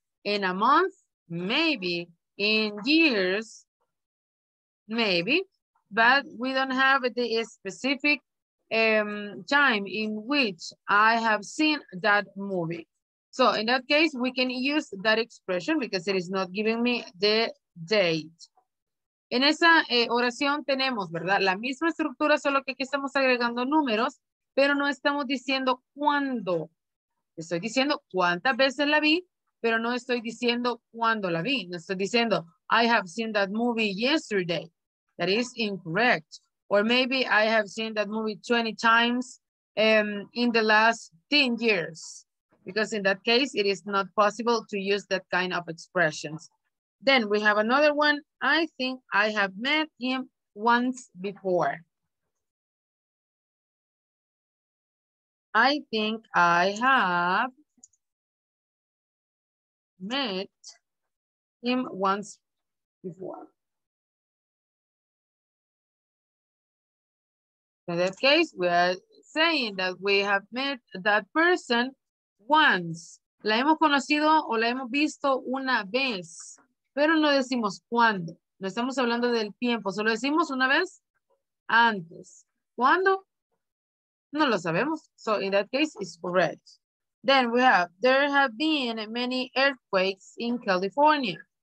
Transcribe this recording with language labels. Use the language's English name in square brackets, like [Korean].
[English] In a month, maybe. In years, maybe. But we don't have the specific time in which I have seen that movie. So in that case, we can use that expression because it is not giving me the date. [Spanish] En esa oración tenemos, ¿verdad? La misma estructura, solo que aquí estamos agregando números, pero no estamos diciendo cuándo. Estoy diciendo cuántas veces la vi, pero no estoy diciendo cuándo la vi. No estoy diciendo, [English] I have seen that movie yesterday. That is incorrect. Or maybe I have seen that movie 20 times in the last 10 years. Because in that case, it is not possible to use that kind of expressions. Then we have another one. I think I have met him once before. I think I have met him once before. In that case, we are saying that we have met that person once. [Spanish] La hemos conocido o la hemos visto una vez, pero no decimos cuándo. No estamos hablando del tiempo, solo decimos una vez antes. ¿Cuándo? No lo sabemos. [English] So in that case, it's correct. Then we have, there have been many earthquakes in California.